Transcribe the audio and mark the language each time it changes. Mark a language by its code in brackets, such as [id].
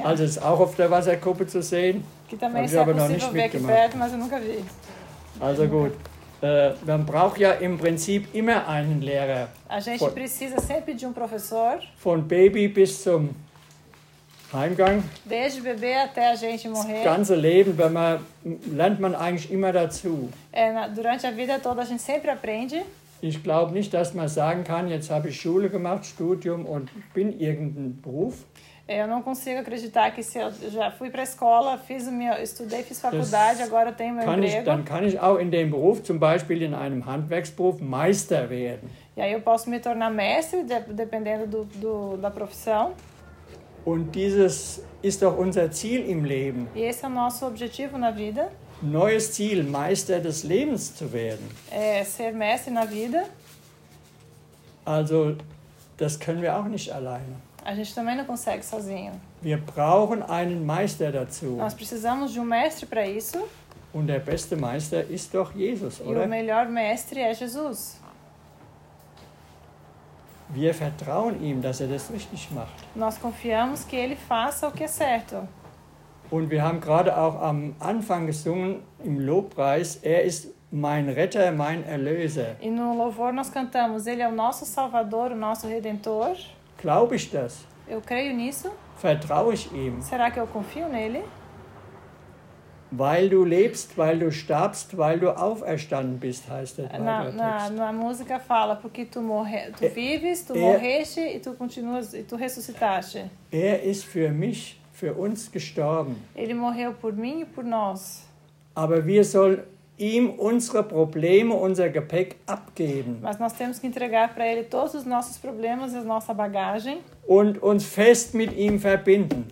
[de] Also ist auch auf der Wasserkuppe zu sehen. [pt] Que também [de] habe ich noch nicht mitgemacht. [pt] Perto, mas eu nunca vi. [de] Also gut. Man braucht ja im Prinzip immer einen Lehrer. [pt] A gente precisa sempre de professor. [de] Von Baby bis zum Heimgang. [pt] Desde bebê até a gente morrer. [de] Das ganze Leben, wenn man lernt man eigentlich immer dazu. [pt] Durante a vida toda a gente sempre aprende. [de] Ich glaube nicht, dass man sagen kann, jetzt habe ich Schule gemacht, Studium und bin irgendein Beruf. [pt] Eu não consigo acreditar que se eu já fui para a escola, estudei, fiz faculdade, agora tenho meu emprego. [de] Dann kann ich auch in dem Beruf, zum Beispiel in einem Handwerksberuf, Meister werden. [pt] E aí eu posso me tornar mestre, dependendo da profissão. [de] Und dieses ist doch unser Ziel im Leben. [pt] E esse é o nosso objetivo na vida. [de] Neues Ziel, Meister des Lebens zu werden. [pt] Ser mestre na vida. [de] Also, das können wir auch nicht alleine. [pt] A gente também não consegue sozinho. [de] Wir brauchen einen Meister dazu. [pt] Nós precisamos de mestre para isso. [de] Und der beste Meister ist doch Jesus, [pt] e [de] oder? [pt] O melhor mestre é Jesus. [de] Wir vertrauen ihm, dass er das richtig macht. [pt] Nós confiamos que ele faça o que é certo. [de] Und wir haben gerade auch am Anfang gesungen im Lobpreis, er ist mein Retter, mein Erlöser. [pt] E no louvor nós cantamos, ele é o nosso Salvador, o nosso Redentor. [de] Glaube ich das? [pt] Eu creio nisso. [de] Vertraue ich ihm? [pt] Será que eu confio nele? [de] Weil du lebst, weil du starbst, weil du auferstanden bist, heißt der [pt] Text. Na música fala, porque tu vives, tu morreste e tu continuas e tu ressuscitaste. [de] Er ist für mich, für uns gestorben. [pt] Ele morreu por mim e por nós. [de] Aber wir sollen ihm unsere Probleme, unser Gepäck abgeben. [pt] Mas nós temos que entregar para ele todos os nossos problemas, a nossa bagagem. [de] Und uns fest mit ihm verbinden.